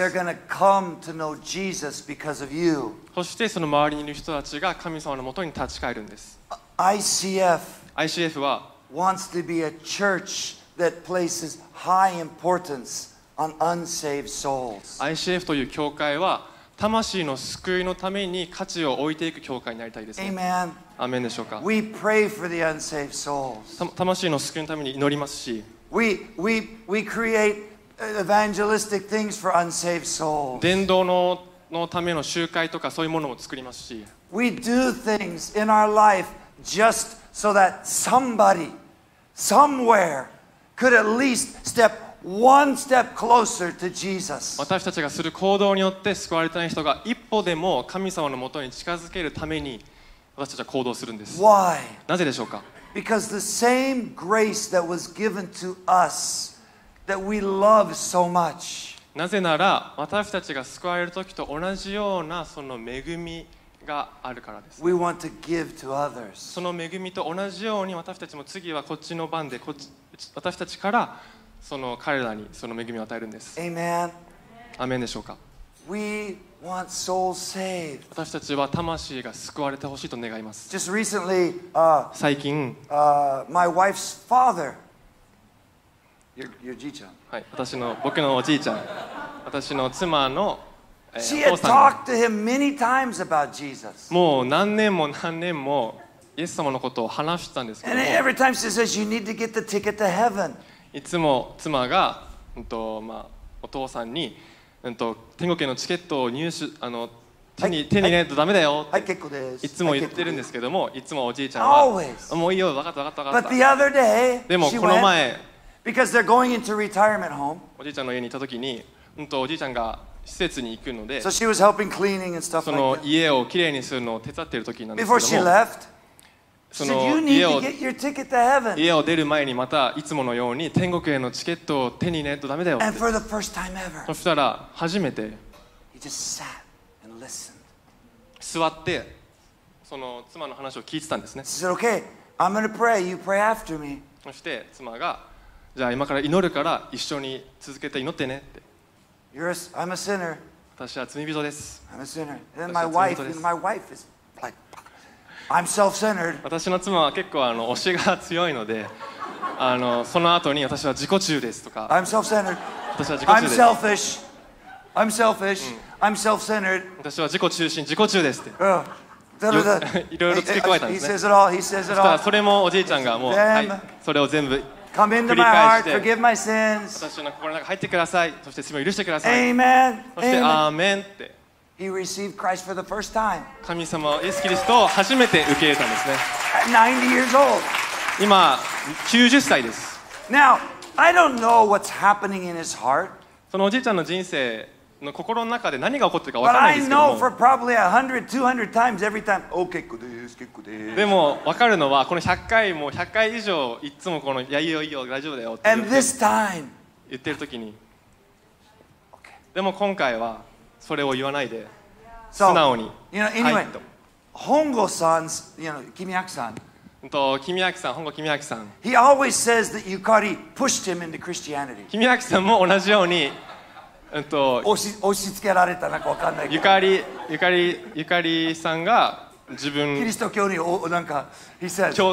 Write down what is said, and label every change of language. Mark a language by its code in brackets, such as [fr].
[en] They're gonna come to know Jesus because of you. [ja] そしてその周りにいる人たちが神様のもとに立ち返るんです。 [en] ICF [ja] は [en] wants to be a church that places high importance on unsaved souls. [ja] ICF という教会は魂の救いのために価値を置いていく教会になりたいですね。 [en] Amen. [ja] アーメンでしょうか。 [en] We pray for the unsaved souls. [ja] 魂の救いのために祈りますし、 [en] We create evangelistic things for unsaved souls. [ja] 伝道 のための集会とかそういうものも作りますし、 [en] We do things in our life just so that somebody, somewhere could at least step One step closer to Jesus. [ja] 私たちがする行動によって救われてない人が一歩でも神様のもとに近づけるために私たちは行動するんです。 [en] Why? [ja] なぜでしょうか。 [en] Because the same grace that was given to us that we love so much. [ja] なぜなら私たちが救われる時と同じようなその恵みがあるからです。 [en] We want to give to others. [ja] その恵みと同じように私たちも次はこっちの番で、こっち私たちからその彼らにその恵みを与えるんです。 [en] Amen. [ja] アメンでしょうか。 [en] We want souls saved. [ja] 私たちは魂が救われてほしいと願います。 [en] Just recently, [ja] 最近、 [en] my wife's father, your じいちゃん。 [ja] はい、僕のおじいちゃん。私の妻の、 [en] She had talked to him many times about Jesus. [ja] もう何年も何年もイエス様のことを話したんですけども。 [en] And every time she says, you need to get the ticket to heaven. [ja] いつも妻が、まあ、お父さんに、天国へのチケットを入手あの 手, に、はい、手に入れないとダメだよって、はい、結構です、いつも言ってるんですけども、はい、いつもおじいちゃんは [en] Always. [ja] もういいよ、分かった分かった分かった [en] But the other day, [ja] でもこの前 [en] went, because they're going into retirement home. [ja] おじいちゃんの家に行った時に、おじいちゃんが施設に行くので、 [en] so、she was helping cleaning and stuff [ja] その家をきれいにするのを手伝っている時なんですけども [en] Before she left, [ja] その家を出る前にまたいつものように天国へのチケットを手に入れないとダメだよって。そしたら初めて座ってその妻の話を聞いてたんですね。そして妻がじゃあ今から祈るから一緒に続けて祈ってねって。 [en] You're a, I'm a sinner. [ja] 私は罪人です。 [en] I'm a sinner. And my wife, is like. I'm self-centered. [ja] 私の妻は結構推しが強いのでその後に私は自己中ですとか [en] I'm self-centered. 私は自己中です I'm selfish. I'm selfish.、うん、I'm self-centered. [ja] 私は自己中心、自己中ですって、 [en] oh. the... [ja] いろいろ付け加えたんですね [en] He says it all. He says it all. [ja] それもおじいちゃんがもう、はい、それを全部 [en] Come into my heart, forgive my sins. [ja] 私の心の中に入ってください。そして罪を許してください。 [en] Amen. [ja] そして Amen. アーメンって [en] He received Christ for the first time. [ja] 神様をイエス・キリストを初めて受け入れたんですね。 [en] 90 years old. [ja] 今90歳です。 [en] Now, I don't know what's happening in his heart. [ja] そのおじいちゃんの人生の心の中で何が起こってるかわからないですけども。 [en] But I know for probably 100, 200 times every time. [ja] Oh, 結構です、結構です。でも分かるのはこの100回も100回以上いつもこのいやいやいや大丈夫だよって [en] And this time. [ja] 言ってる時に。Okay. でも今回は。それを言わないで素直に [en] so, you know, anyway,、 [ja] はい、 [en] 本郷さん、you know, 君明さん、 [ja] 君明さん、本郷君明さん [en] He always says that Yukari pushed him into Christianity. [ja] 君明さんも同じように押し付けられたなんか分かんないけどゆかりさんが自分キリスト教に何か [en] He says